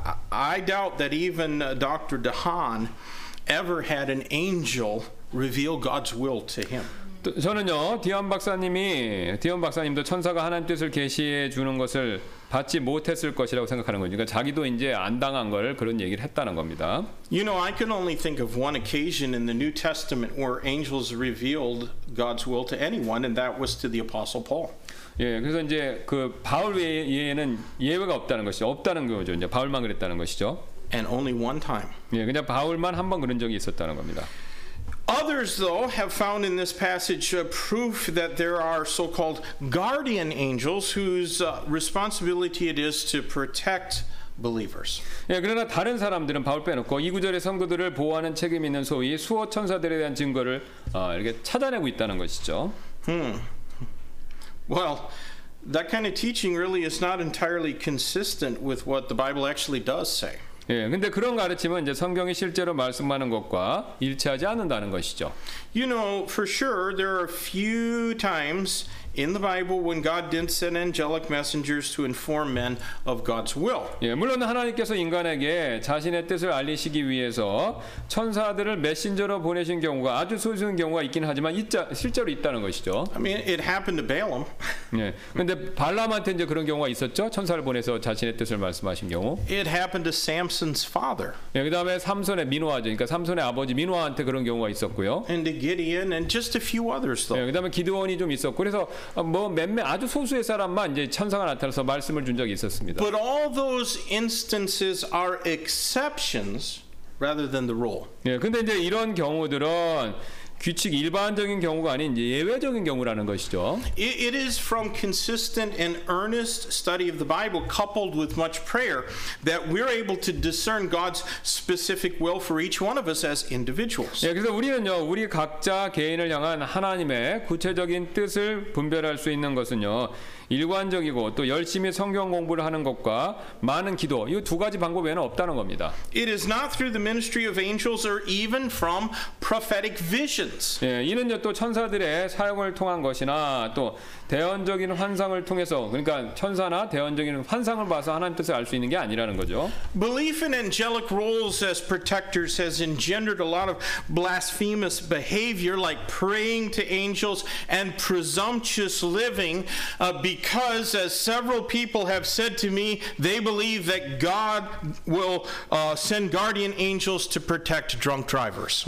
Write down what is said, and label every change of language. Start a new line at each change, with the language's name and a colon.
English: I doubt that even Dr. Dahan ever had an angel reveal God's will to him.
Korean: 저는요, 디언 박사님도 천사가 하나님 뜻을 계시해 주는 것을 받지 못했을 것이라고 생각하는 거니까 그러니까 자기도 이제 안 당한 걸 그런 얘기를 했다는 겁니다.
English: You know, I can only think of one occasion in the New Testament where angels revealed God's will to anyone, and that was to the Apostle Paul.
Korean: 예, 그래서 이제 그 바울 외에는 예외가 없다는 것이죠. 없다는 거죠. 이제 바울만 그랬다는 것이죠.
English: And only one time.
Korean: 예, 그냥 바울만 한 번 그런 적이 있었다는 겁니다.
English: Others, though, have found in this passage proof that there are so-called guardian angels whose responsibility it is to protect believers.
Korean: 예, 그러나 다른 사람들은 바울 빼놓고 이 구절의 성도들을 보호하는 책임 있는 소위 수호 천사들에 대한 증거를 이렇게 찾아내고 있다는 것이죠.
English: Well, that kind of teaching really is not entirely consistent with what the Bible actually does say.
Korean: 예, 근데 그런 가르침은 이제 성경이 실제로 말씀하는 것과 일치하지 않는다는 것이죠.
English: You know, for sure, there are a few times in the Bible when God didn't send angelic messengers to inform men of God's will.
Korean: 예, 물론 하나님께서 인간에게 자신의 뜻을 알리시기 위해서 천사들을 메신저로 보내신 경우가 아주 소수인 경우가 있긴 하지만 실제로 있다는 것이죠.
English: I mean, it happened to Balaam.
Korean: 예, 근데 발람한테 이제 그런 경우가 있었죠. 천사를 보내서 자신의 뜻을 말씀하신 경우.
English: It happened to Samson's father.
Korean: 예, 그다음에 삼손의 민호아죠. 그러니까 삼손의 아버지 민호아한테 그런 경우가 있었고요.
English: And to Gideon and just a few others though.
Korean: 예, 그다음에 기드온이 좀 있었고 그래서 뭐 몇몇 아주 소수의 사람만 이제 천사가 나타나서 말씀을 준 적이 있었습니다.
English: But all those instances are exceptions rather than the rule.
Korean: 예, 근데 이제 이런 경우들은 규칙 일반적인 경우가 아닌 이제 예외적인 경우라는 것이죠.
English: It is from consistent and earnest study of the Bible coupled with much prayer that we're able to discern God's specific will for each one of us as individuals.
Korean: 예, 그래서 우리는요, 우리 각자 개인을 향한 하나님의 구체적인 뜻을 분별할 수 있는 것은요. 일관적이고 또 열심히 성경 공부를 하는 것과 많은 기도 이 두 가지 방법 외에는 없다는 겁니다.
English: It is not through the ministry of angels or even from prophetic visions.
Korean: 예, 이는요 또 천사들의 사역을 통한 것이나 또 대언적인 환상을 통해서 그러니까 천사나 대언적인 환상을 봐서 하나님 뜻을 알 수 있는 게 아니라는 거죠.
English: Belief in angelic roles as protectors has engendered a lot of blasphemous behavior like praying to angels and presumptuous living because as several people have said to me they believe that God will send guardian angels to protect drunk drivers.